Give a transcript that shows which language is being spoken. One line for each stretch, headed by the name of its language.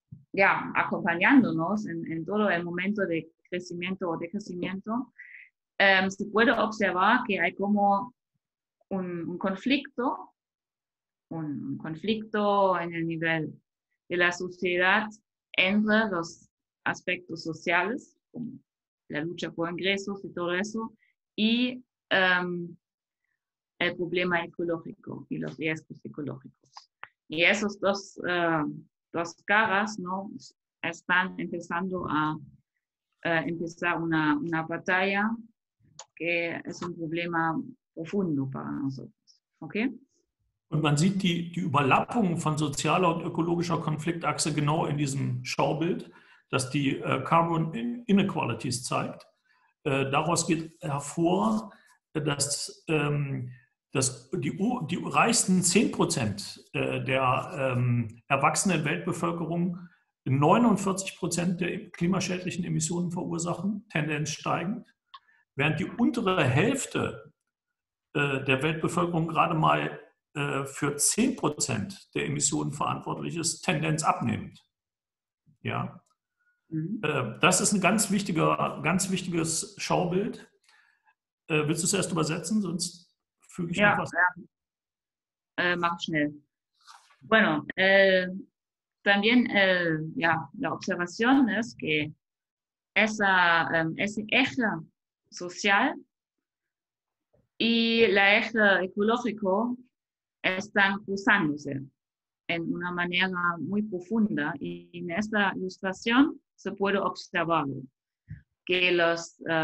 Spanish: ya, acompañándonos en todo el momento de crecimiento o decrecimiento, se puede observar que hay como un conflicto en el nivel de la sociedad entre los aspectos sociales, como la lucha por ingresos y todo eso, y el problema ecológico y los riesgos ecológicos. Y esos dos caras, ¿no?, están empezando a empezar una batalla que es un problema profundo para nosotros. ¿Okay?
German: Und man sieht die Überlappung von sozialer und ökologischer Konfliktachse genau in diesem Schaubild, das die Carbon Inequalities zeigt. Daraus geht hervor, dass, dass die reichsten 10% der erwachsenen Weltbevölkerung 49% der klimaschädlichen Emissionen verursachen, Tendenz steigend, während die untere Hälfte der Weltbevölkerung gerade mal für 10% der Emissionen verantwortlich ist, Tendenz abnimmt. Ja. Mhm. Das ist ein ganz wichtiges Schaubild. Willst du es erst übersetzen, sonst füge ich noch was? Ja, mach schnell.
Spanish: Bueno, también ja, la observación es que ese eje social y la eje ecológico están cruzándose en una manera muy profunda, y en esta ilustración se puede observar que los